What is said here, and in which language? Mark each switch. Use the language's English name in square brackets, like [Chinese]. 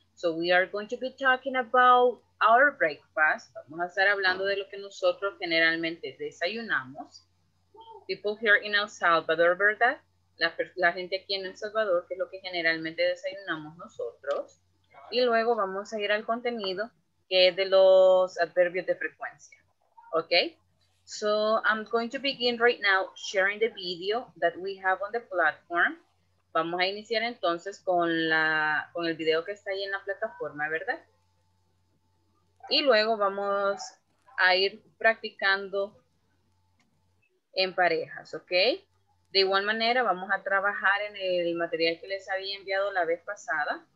[English] So we are going to be talking about our breakfast. [Spanish] Vamos a estar hablando de lo que nosotros generalmente desayunamos. [English] People here in El Salvador, [Spanish] ¿verdad? La gente aquí en El Salvador, que es lo que generalmente desayunamos nosotros. Y luego vamos a ir al contenido que es de los adverbios de frecuencia. ¿Ok? [English] So I'm going to begin right now sharing the video that we have on the platform. [Spanish] Vamos a iniciar entonces con el video que está ahí en la plataforma, ¿verdad? Y luego vamos a ir practicando en parejas, ¿ok? De igual manera, vamos a trabajar en el material que les había enviado la vez pasada.